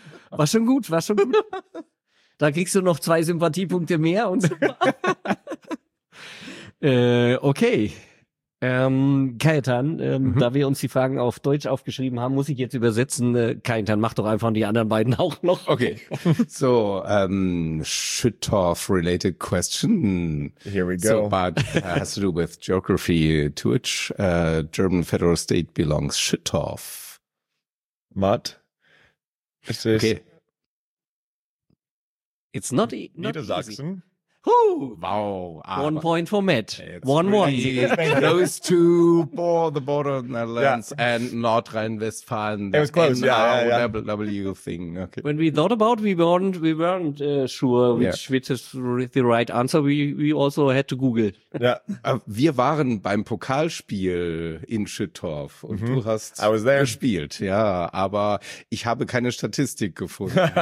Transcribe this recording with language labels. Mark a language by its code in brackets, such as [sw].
[de] War schon gut. Da kriegst du noch 2 Sympathiepunkte mehr und super. okay. Kaitan, da wir uns die Fragen auf Deutsch aufgeschrieben haben, muss ich jetzt übersetzen. Kaitan, mach doch einfach die anderen beiden auch noch. [en] Okay, so, Schüttorf-related question. Here we go. So, but has to do with geography. To which German federal state belongs Schüttorf? Matt? Okay. It's not easy. Niedersachsen. Wow. One point for Matt. Close to the border of Netherlands and Nordrhein-Westfalen. It was close, W thing. Okay. When we thought about we weren't sure which is the right answer. We also had to Google. Yeah. [de] Wir waren beim Pokalspiel in Schüttorf und du hast gespielt. Ja, aber ich habe keine Statistik gefunden.